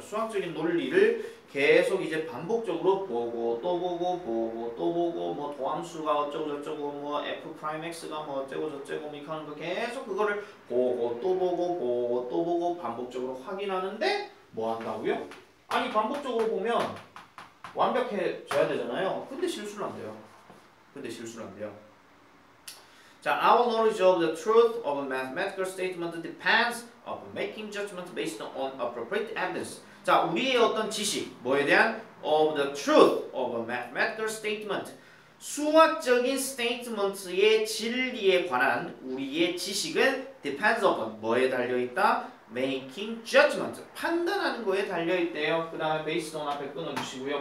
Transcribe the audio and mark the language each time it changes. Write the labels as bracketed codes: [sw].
[ko] 수학적인 논리를 계속 이제 반복적으로 보고 또 보고 뭐 도함수가 어쩌고저쩌고 뭐 f'x가 뭐 어쩌고저쩌고 이렇게 하는 거 계속 그거를 보고 또 보고 반복적으로 확인하는데 뭐 한다고요? 아니 반복적으로 보면 완벽해져야 되잖아요. 근데 실수는 안 돼요. [en] 자, our knowledge of the truth of a mathematical statement depends of making judgment based on appropriate evidence. [ko] 자, 우리의 어떤 지식, 뭐에 대한? [en] Of the truth of a mathematical statement. [ko] 수학적인 statement의 진리에 관한 우리의 지식은 [en] depends upon [ko] 뭐에 달려있다? [en] Making judgment. [ko] 판단하는 거에 달려있대요. 그 다음에 based on 앞에 끊어주시고요.